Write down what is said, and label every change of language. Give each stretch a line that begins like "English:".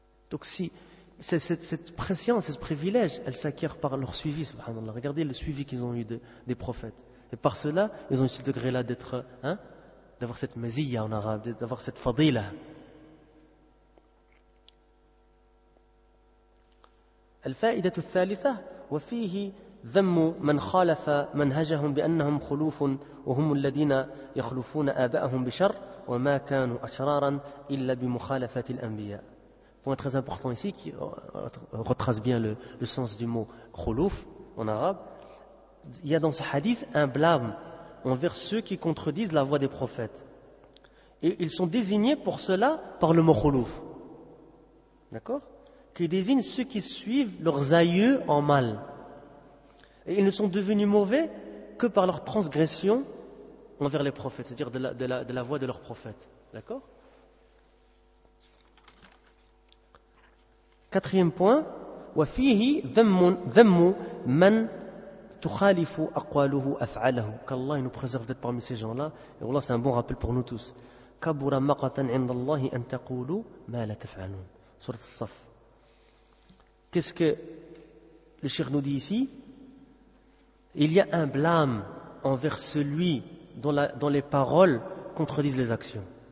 French: Donc si cette préscience, ce privilège, elle s'acquiert par leur suivi, subhanallah. Regardez le suivi qu'ils ont eu des prophètes. Et par cela, ils ont eu ce degré-là d'être, hein, d'avoir cette maziyya en arabe, d'avoir cette fadila.
Arabic: Al-fa'idatu al-thalitha wa fihi ذم من خالف منهجهم بأنهم خلوف وهم الذين يخلفون آباءهم بشر وما كانوا أشرارا إلا بمخالفة الأنبياء.
French: Point très important ici qui retrace bien le sens du mot khulouf en arabe. Il y a dans ce hadith un blâme envers ceux qui contredisent la voix des prophètes. Et ils sont désignés pour cela par le mot khulouf. D'accord ? Qui désigne ceux qui suivent leurs aïeux en mal. Et ils ne sont devenus mauvais que par leur transgression envers les prophètes, c'est-à-dire de la voix de leurs prophètes. D'accord ? Quatrième point,
Arabic: وَفِيهِ ذَمُّ مَنْ تُخَالِفُ أَقْوَالُهُ أَفْعَالَهُ.
French: Qu'Allah nous préserve d'être parmi ces gens-là, et Allah c'est un bon rappel pour nous tous.
Arabic: كَبُرَ مَقَةً عِنْدَ اللَّهِ أَنْ تَقُولُوا مَا لَا تَفْعَالُونَ. Surat al-Saf.
French: Qu'est-ce que le Cheikh nous dit ici ? Il y a un blâme envers celui dont les paroles contredisent les actions.